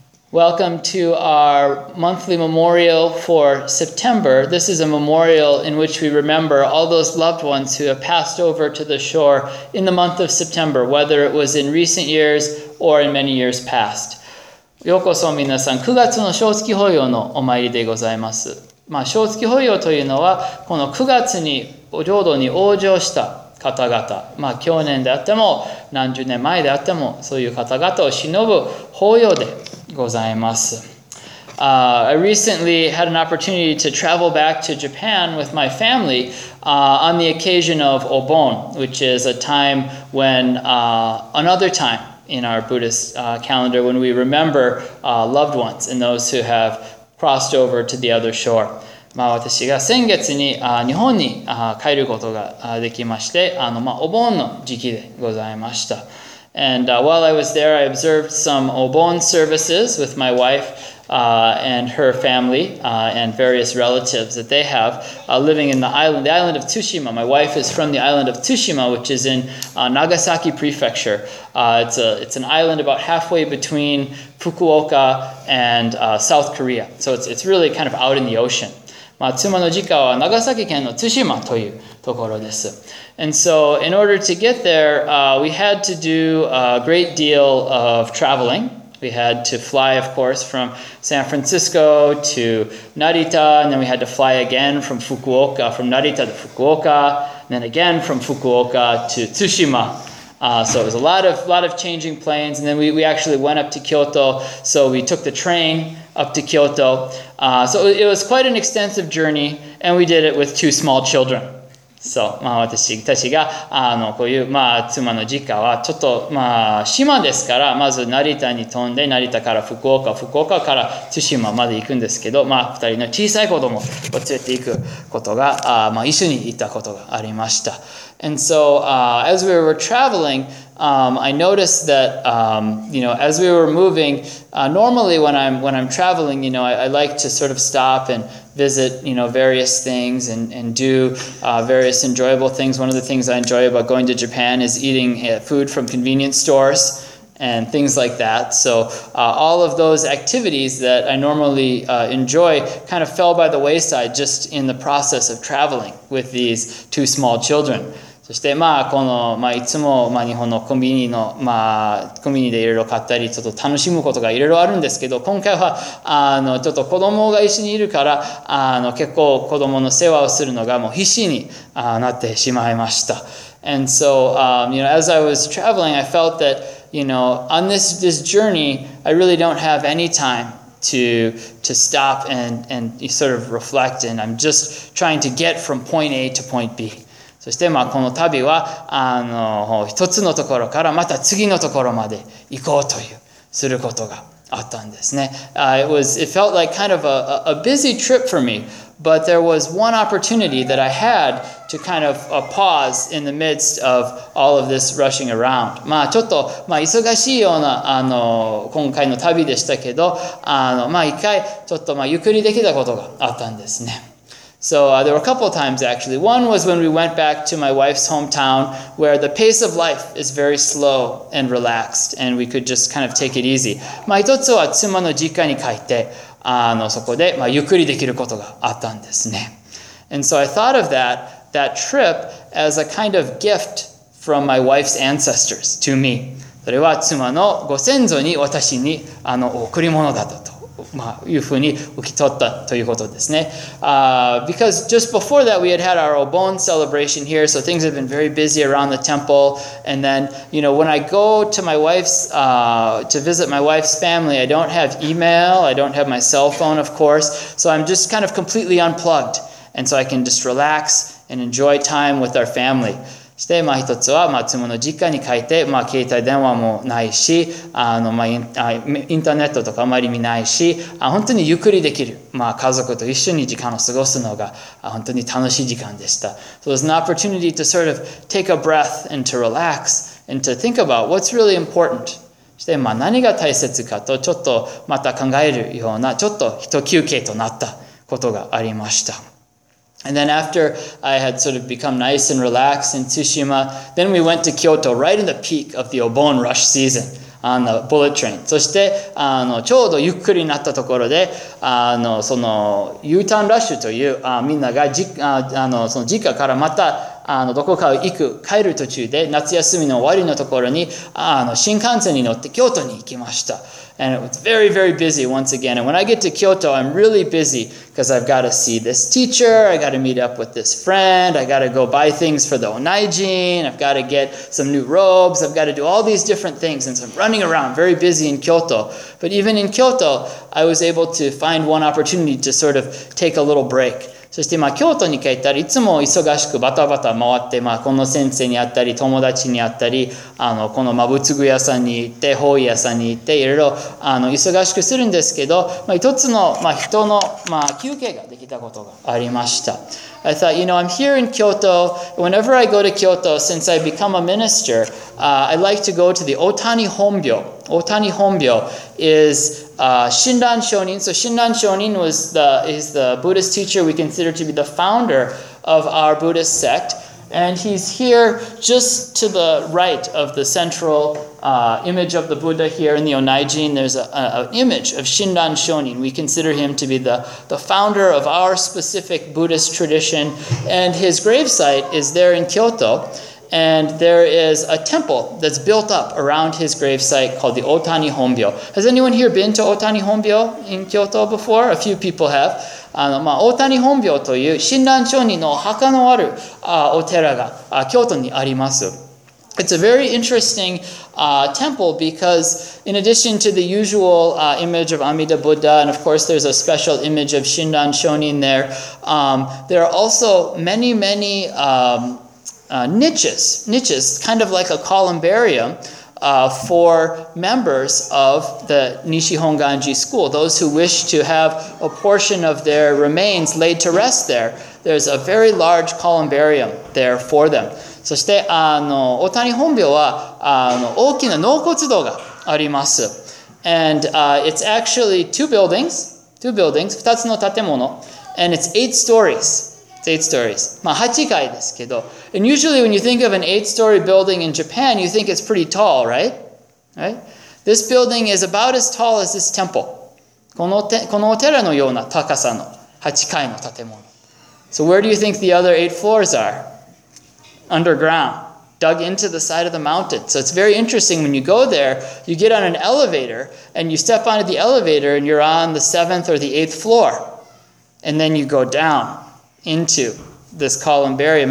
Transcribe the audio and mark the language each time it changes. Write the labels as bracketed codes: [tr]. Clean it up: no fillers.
[en] Welcome to our monthly memorial for September. This is a memorial in which we remember all those loved ones who have passed over to the shore in the month of September, whether it was in recent years or in many years past. [ja] ようこそ皆さん、9月の正月法要のお参りでございます。まあ、正月法要というのは、この9月に浄土に往生した方々、まあ、去年であっても、何十年前であっても、そういう方々を偲ぶ法要でございます。 [en] I recently had an opportunity to travel back to Japan with my family on the occasion of Obon, which is a time when another time in our Buddhist calendar when we remember loved ones and those who have crossed over to the other shore. [ja] まあ、私が先月に日本に帰ることができまして、まあ、お盆の時期でございました。 [en] And while I was there, I observed some Obon services with my wife and her family and various relatives that they have living in the island of Tsushima. My wife is from the island of Tsushima, which is in Nagasaki Prefecture. It's an island about halfway between Fukuoka and South Korea. So it's really kind of out in the ocean. [ja] まあ、妻の実家は長崎県の対馬というところです。 [en] And so, in order to get there, we had to do a great deal of traveling. We had to fly, of course, from San Francisco to Narita, and then we had to fly again from Fukuoka, from Narita to Fukuoka, and then again from Fukuoka to Tsushima. So it was a lot of changing planes, and then we actually went up to Kyoto, so we took the train up to Kyoto. So it was quite an extensive journey, and we did it with two small children. [ja] そう、まあ、私がこういう、まあ、妻の実家はちょっと、まあ、島ですから、まず成田に飛んで、成田から福岡、福岡から対馬まで行くんですけど、まあ、2人の小さい子供を連れて行くことが、まあ、一緒に行ったことがありました。 [en] And so, as we were traveling, I noticed that, you know, as we were moving, normally when I'm traveling, you know, I like to sort of stop and visit, you know, various things and do various enjoyable things. One of the things I enjoy about going to Japan is eating food from convenience stores and things like that. So all of those activities that I normally enjoy kind of fell by the wayside just in the process of traveling with these two small children. [ja] そして、まあ、この、まあ、いつも、まあ、日本のコンビニの、まあ、コンビニでいろいろ買ったり、ちょっと楽しむことがいろいろあるんですけど、今回は、ちょっと子供が一緒にいるから、結構子供の世話をするのがもう必死になってしまいました。 [en] And so, you know, as I was traveling, I felt that, you know, on this journey, I really don't have any time to stop and sort of reflect, and I'm just trying to get from point A to point B. [ja] そして、まあ、この旅は、一つのところからまた次のところまで行こうという、することがあったんですね。 [en] It felt like kind of a busy trip for me. But there was one opportunity that I had to kind of pause in the midst of all of this rushing around. [ja] まあちょっと、まあ、忙しいようなあの今回の旅でしたけど、あのまあ一回ちょっとまあゆっくりできたことがあったんですね。 [en] So, there were a couple of times actually. One was when we went back to my wife's hometown where the pace of life is very slow and relaxed and we could just kind of take it easy. [ja] まあ一つは妻の実家に帰って、あのそこで、まあ、ゆっくりできることがあったんですね。 And so I thought of that trip as a kind of gift from my wife's ancestors to me. それは妻のご先祖に私にあの贈り物だったと。まあ、いうふうに受け取ったということですね。 [en] Because just before that we had had our Obon celebration here, so things have been very busy around the temple. And then, you know, when I go to my wife's, to visit my wife's family, I don't have email, I don't have my cell phone, of course. So I'm just kind of completely unplugged. And so I can just relax and enjoy time with our family. [ja] そして、まあ、一つは、まあ、妻の実家に帰って、まあ、携帯電話もないし、あの、まあ、インターネットとかあまり見ないし、あ、本当にゆっくりできる。まあ、家族と一緒に時間を過ごすのが、あ、本当に楽しい時間でした。 [en] So it's an opportunity to sort of take a breath and to relax and to think about what's really important. [ja] そして、まあ、何が大切かと、ちょっとまた考えるような、ちょっと一休憩となったことがありました。 [en] And then after I had sort of become nice and relaxed in Tsushima, then we went to Kyoto right in the peak of the Obon rush season on the bullet train. [ja] そして、あの、ちょうどゆっくりになったところで、あの、その、 [en] U-turn rush [ja] という、あ、みんなが、あ、あの、その実家からまた、あの、どこかを行く、帰る途中で、夏休みの終わりのところに、あの、新幹線に乗って京都に行きました。 [en] And it was very, very busy once again. And when I get to Kyoto, I'm really busy because I've got to see this teacher, I got to meet up with this friend, I got to go buy things for the Onaijin, I've got to get some new robes, I've got to do all these different things. And so I'm running around very busy in Kyoto. But even in Kyoto, I was able to find one opportunity to sort of take a little break. [ja] そして、まあ、京都に帰ったらいつも忙しくバタバタ回って、まあ、この先生に会ったり、友達に会ったり、あの、このまぶつぐ屋さんに行って、法医屋さんに行って、いろいろ、あの、忙しくするんですけど、まあ、一つの、まあ、人の、まあ、休憩ができたことがありました。 [en] I thought, you know, I'm here in Kyoto. Whenever I go to Kyoto, since I've become a minister, I like to go to the Otani Honbyo. Otani Honbyo is Shinran Shonin. So Shinran Shonin is the Buddhist teacher we consider to be the founder of our Buddhist sect. And he's here just to the right of the central image of the Buddha here in the Onaijin. There's an image of Shinran Shonin. We consider him to be the founder of our specific Buddhist tradition. And his gravesite is there in Kyoto. And there is a temple that's built up around his gravesite called the Otani Honbyo. Has anyone here been to Otani Honbyo in Kyoto before? A few people have. [ja] あの、まあ、大谷本廟という親鸞聖人のお墓のあるあお寺が京都にあります。 [en] It's a very interesting temple because in addition to the usual image of Amida Buddha and of course there's a special image of Shinran Shonin there, there are also many, many niches, kind of like a columbarium,for members of the Nishihonganji school, those who wish to have a portion of their remains laid to rest there. There's a very large columbarium there for them. [ja] そして、あの、大谷本廟は、あの、大きな納骨堂があります。 [en] And it's actually two buildings, [ja] 二つの建物, [en] and it's eight stories. 8 stories. [ja] まあ、8階ですけど。 [en] And usually when you think of an 8-story building in Japan, you think it's pretty tall, right? Right? This building is about as tall as this temple. [ja] このお寺のような高さの8階の建物。 [en] So where do you think the other 8 floors are? Underground. Dug into the side of the mountain. So it's very interesting when you go there, you get on an elevator, and you step onto the elevator, and you're on the 7th or the 8th floor. And then you go down. Into this columbarium.